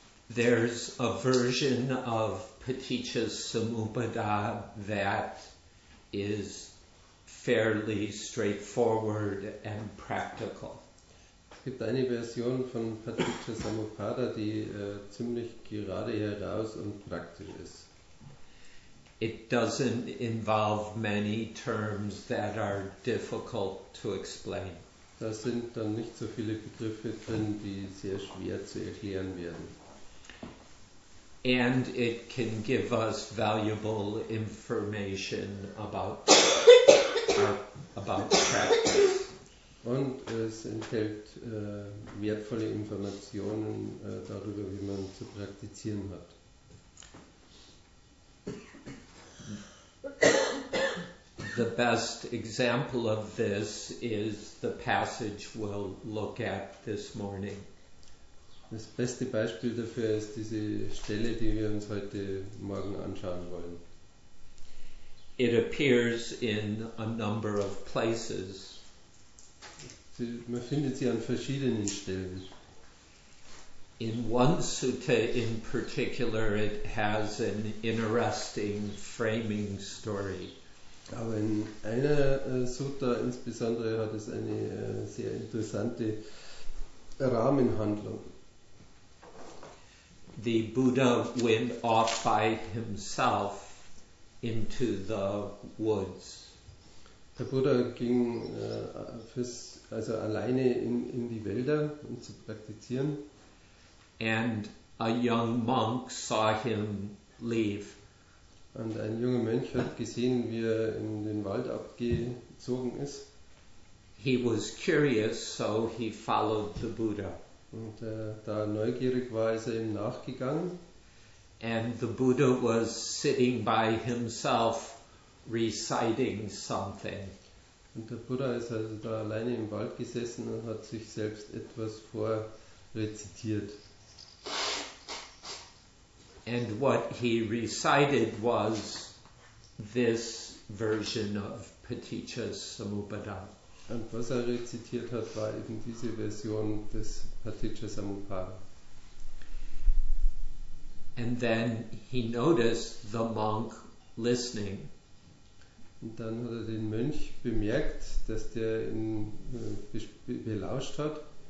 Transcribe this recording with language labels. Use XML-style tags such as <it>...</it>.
<en>There's a version of Paticca Samuppada that is fairly straightforward and practical.</en> <de>Es gibt eine Version von Paticca Samuppada, die ziemlich gerade heraus und praktisch ist.</de> <en>It doesn't involve many terms that are difficult to explain.</en> <de>Da sind dann nicht so viele Begriffe drin, die sehr schwer zu erklären werden.</de> <en>And it can give us valuable information about about practice.</en> <de>Und es enthält wertvolle Informationen darüber, wie man zu praktizieren hat.</de> <en>The best example of this is the passage we'll look at this morning.</en> <de>Das beste Beispiel dafür ist diese Stelle, die wir uns heute Morgen anschauen wollen.</de> <en>It appears in a number of places.</en> <de>Man findet sie an verschiedenen Stellen.</de> <en>In one sutta in particular, it has an interesting framing story.</en> <de>Aber in einer Sutta insbesondere hat es eine sehr interessante Rahmenhandlung.</de> <en>The Buddha went off by himself into the woods.</en> <de>Der Buddha ging also alleine in die Wälder, um zu praktizieren.</de> <en>And a young monk saw him leave.</en> <de>Und ein junger Mönch hat gesehen, wie er in den Wald abgezogen ist.</de> <en>He was curious, so he followed the Buddha.</en> <de>Und da neugierig war, ist er ihm nachgegangen.</de> <en>And the Buddha was sitting by himself reciting something.</en> <de>Und der Buddha ist also da alleine im Wald gesessen und hat sich selbst etwas vorrezitiert.</de> <en>And what he recited was this version of Paticca Samuppada.</en> <de>Und was er rezitiert hat, war eben diese Version des Paticca Samuppada.</de> <en>And then he noticed the monk listening.</en> <de>Und dann hat er den Mönch bemerkt, dass der ihn belauscht hat.</de>